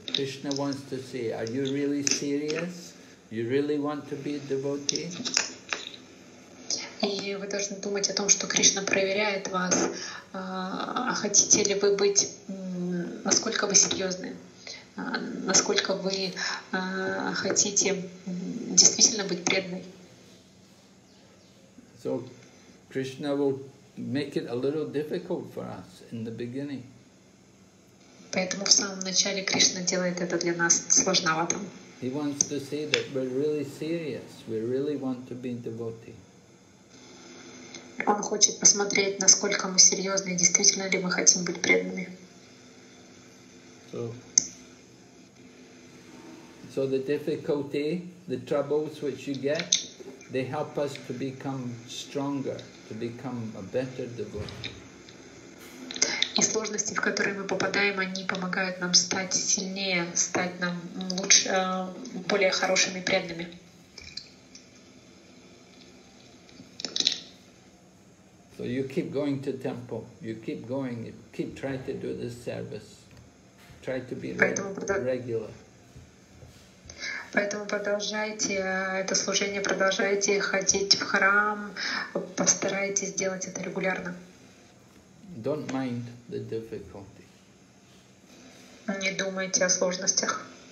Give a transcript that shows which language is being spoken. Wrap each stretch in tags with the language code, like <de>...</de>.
<en>Krishna wants to see, are you really serious? You really want to be a devotee?</en> <ru>И вы должны думать о том, что Кришна проверяет вас, а хотите ли вы быть, насколько вы серьезны, насколько вы хотите действительно быть преданной.</ru> <en>So Krishna will make it a little difficult for us in the beginning.</en> <ru>Поэтому в самом начале Кришна делает это для нас сложновато.</ru> <en>He wants to see that we're really serious, we really want to be devotee.</en> <ru>Он хочет посмотреть, насколько мы серьезны, действительно ли мы хотим быть преданными.</ru> <en>So the difficulty, the troubles which you get, they help us to become stronger, to become a better devotee.</en> <ru>И сложности, в которые мы попадаем, они помогают нам стать сильнее, стать нам лучше, более хорошими преданными.</ru> <en>So you keep going to temple, you keep going, you keep trying to do this service, try to be regular.</en> <ru>Поэтому продолжайте это служение, продолжайте ходить в храм, постарайтесь делать это регулярно.</ru> <en>Don't mind the difficulty.</en> <ru>Не думайте о сложностях.</ru>